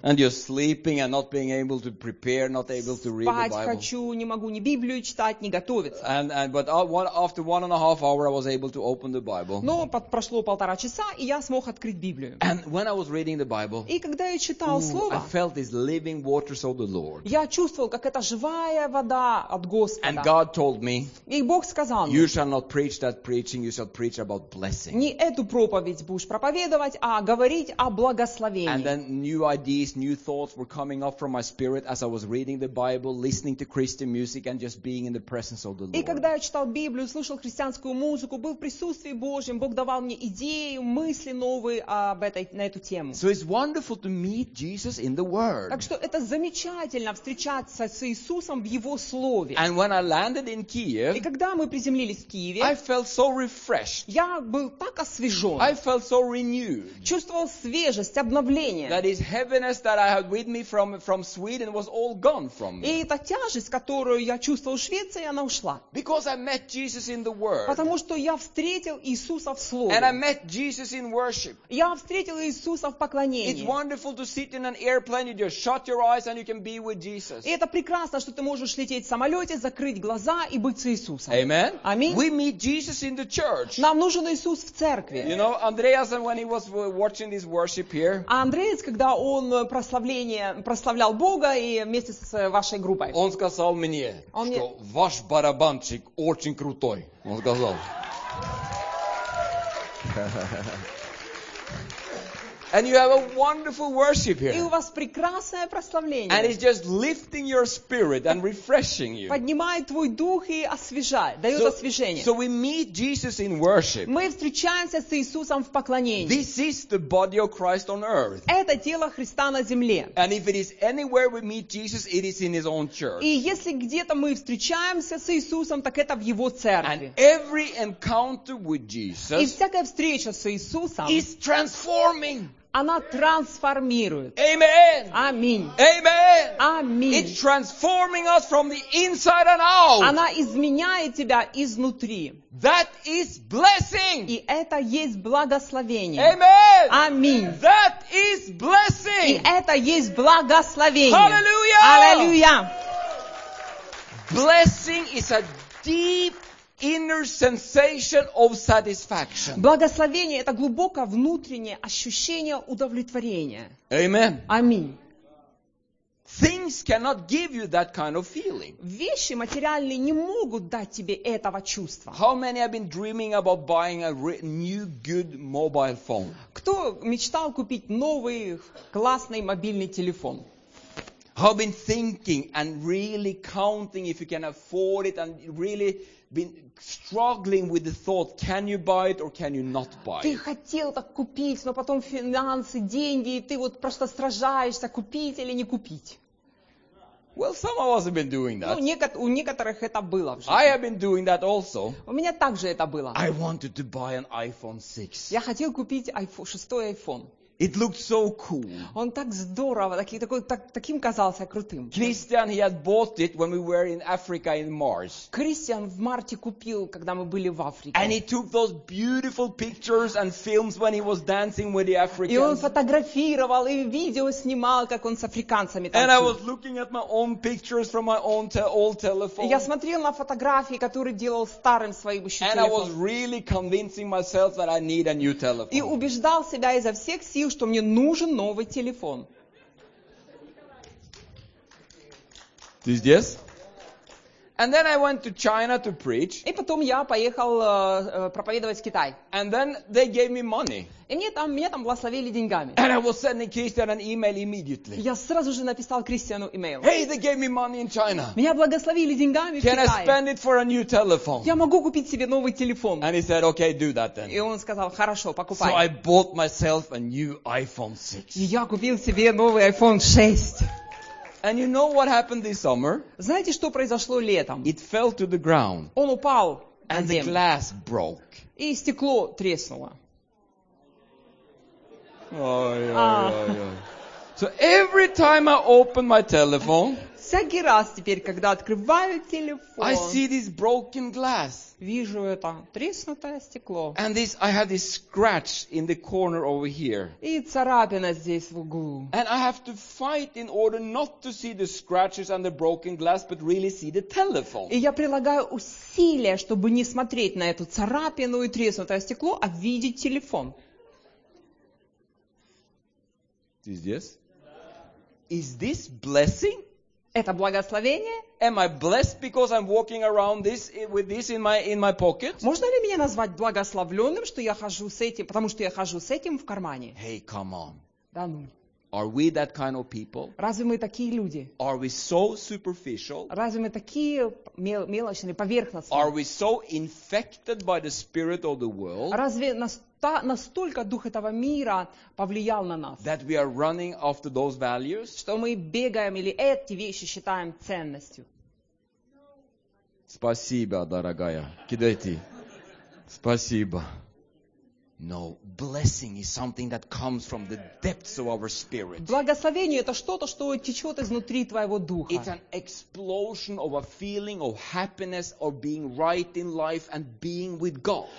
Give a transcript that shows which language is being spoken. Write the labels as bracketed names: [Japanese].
[English] And you're sleeping and not being able to prepare, not able to read the Bible. [Russian] Спать хочу, не могу ни Библию читать, ни готовиться. [English] But after 1.5 hours I was able to open the Bible. [Russian] Но прошло полтора часа, и я смог открыть Библию. [English] And when I was reading the Bible, [Russian] и когда я читал слово, [English] I felt this living waters of the Lord. [Russian] Я чувствовал, как это живая вода от Господа. [English] And God told me, [Russian] и Бог сказал мне, [English] you shall not preach that preaching, you shall preach about blessing. [Russian] Не эту проповедь будешь проповедовать, а говорить о благословении. [English] And then new ideas, new thoughts were coming up from my spirit as I was reading the Bible, listening to Christian music and just being in the presence of the Lord. [Russian] И когда я читал Библию, слушал христианскую музыку, был в присутствии Божьем, Бог давал мне идеи, мысли новые об этой, на эту тему. [English] So it's wonderful to meet Jesus in the Word. [Russian] Так что это замечательно встречаться с Иисусом в Его Слове. [English] And when I landed in Kiev, [Russian] и когда мы приземлились в Киеве, [English] I felt so refreshed. [Russian] Я был так освежен. [English] I felt so renewed. [Russian] Чувствовал свежесть, обновление. [English] That is heaviness that I had with me from Sweden was all gone from me. [Russian] И эта тяжесть, которую я чувствовал в Швеции, она ушла. [English] Because I met Jesus in the Word. [Russian] Потому что я встретил Иисуса в Слове. [English] And I met Jesus in worship. [Russian] Я встретил Иисуса в поклонении. [English] It's wonderful to sit in an airplane, you just shut your eyes and you can be with Jesus. [Russian] И это прекрасно, что ты можешь лететь в самолете, закрыть глаза и быть с Иисусом. [English] Amen. [Russian] Аминь. [English] We meet Jesus in the church. [Russian] Нам нужен Иисус в церкви. [English] You know, Andreas, when he was watching this worship here. [Russian] А Андреас, когда он прославлял Бога и вместе с вашей группой. Он сказал мне, что ваш барабанчик очень крутой. Он сказал. [English] And you have a wonderful worship here. [Russian] И у вас прекрасное прославление. [English] And it's just lifting your spirit and refreshing you. [Russian] Поднимает твой дух и освежает, дает освежение. [English] So we meet Jesus in worship. [Russian] Мы встречаемся с Иисусом в поклонении. [English] This is the body of Christ on earth. [Russian] Это тело Христа на земле. [English] And if it is anywhere we meet Jesus, it is in His own church. [Russian] И если где-то мы встречаемся с Иисусом, так это в Его церкви. [English] And every encounter with Jesus. [Russian] И всякая встреча с Иисусом. [English] Is transforming. [Russian] Она трансформирует. [English] Amen. [Russian] Аминь. [English] Amen. [Russian] Аминь. [English] It's transforming us from the inside and out. [Russian] Она изменяет тебя изнутри. [English] That is blessing. [Russian] И это есть благословение. [English] Amen. [Russian] Аминь. [English] That is blessing. [Russian] И это есть благословение. [English] Hallelujah. Hallelujah. Blessing is a deep inner sensation of satisfaction. [Russian] Благословение — это глубокое внутреннее ощущение удовлетворения. [English] Amen. [Russian] Аминь. [English] Things cannot give you that kind of feeling. [Russian] Вещи материальные не могут дать тебе этого чувства. [English] How many have been dreaming about buying a new good mobile phone? [Russian] Кто мечтал купить новый классный мобильный телефон? [English] Have been thinking and really counting if you can afford it and really been struggling with the thought, can you buy it or can you not buy it? [Russian] Ты хотел так купить, но потом финансы, деньги, и ты вот просто сражаешься, купить или не купить. [English] Well, some of us have been doing that. [Russian] У некоторых это было в жизни. [English] I have been doing that also. [Russian] У меня также это было. [English] I wanted to buy an iPhone 6. [Russian] Я хотел купить шестой iPhone. [English] It looked so cool. [Russian] Он так здорово, таким казался крутым. [English] Christian, he had bought it when we were in Africa in March. [Russian] Christian в марте купил, когда мы были в Африке. [English] And he took those beautiful pictures and films when he was dancing with the Africans. [Russian] И он фотографировал и видео снимал, как он с африканцами танцует. [English] And I was looking at my own pictures from my own old telephone. [Russian] Я смотрел на фотографии, которые делал старым своим еще телефоном. [English] And I was really convincing myself that I need a new telephone. [Russian] И убеждал себя изо всех сил, что мне нужен новый телефон. Ты здесь? [English] And then I went to China to preach. [Russian] И потом я поехал проповедовать в Китай. [English] And then they gave me money. [Russian] И мне там, меня там благословили деньгами. [English] And I was sending Christian an email immediately. [Russian] Я сразу же написал Кристиану email. [English] Hey, they gave me money in China. [Russian] Меня благословили деньгами [English] Can [Russian] в Китае. [English] I spend it for a new telephone? [Russian] Я могу купить себе новый телефон. [English] And he said, okay, do that then. [Russian] И он сказал, хорошо, покупай. [English] So I bought myself a new iPhone 6. [Russian] И я купил себе новый iPhone 6. [English] And you know what happened this summer? [Russian] Знаете, что произошло летом? [English] It fell to the ground. [Russian] Он упал на землю. [English] And the glass broke. [Russian] И стекло треснуло. [English] So every time I open my telephone, [Russian] всякий раз теперь, когда открываю телефон, [English] I see this broken glass. [Russian] Вижу это треснутое стекло. [English] And this, I have this scratch in the corner over here. [Russian] И царапина здесь в углу. [English] And I have to fight in order not to see the scratches and the broken glass, but really see the telephone. [Russian] И я прилагаю усилия, чтобы не смотреть на эту царапину и треснутое стекло, а видеть телефон. [English] Yes. Is this blessing? [Russian] Это благословение? [English] Am I blessed because I'm walking around this with this in my pocket? [Russian] Можно ли меня назвать благословленным, что я хожу с этим, потому что я хожу с этим в кармане? [English] Hey, come on. [Russian] Да ну. [English] Are we that kind of people? [Russian] Разве мы такие люди? [English] Are we so superficial? [Russian] Разве мы такие мелочные, поверхностные? [English] Are we so infected by the spirit of the world? [Russian] Разве настолько дух этого мира повлиял на нас? [English] That we are running after those values? [Russian] Что мы бегаем или эти вещи считаем ценностью? Спасибо, дорогая. Кидайте. Спасибо. [English] No, blessing is something that comes from the depths of our spirit. [Russian] Благословение это что-то, что течет изнутри твоего духа. [English] It's an explosion of a feeling of happiness of being right in life and being with God.